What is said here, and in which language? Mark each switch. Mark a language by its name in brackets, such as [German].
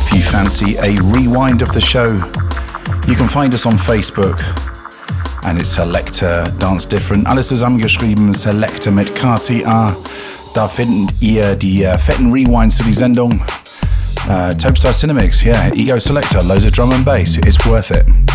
[English] fancy a rewind of the show, you can find us on Facebook, and it's Selecta Dance Different. [German] Alles zusammengeschrieben, Selecta mit KTA. Da finden ihr die fetten Rewinds zu die Sendung. [English] Topstar Cinemix, yeah, Ego Selecta, loads of drum and bass, it's worth it.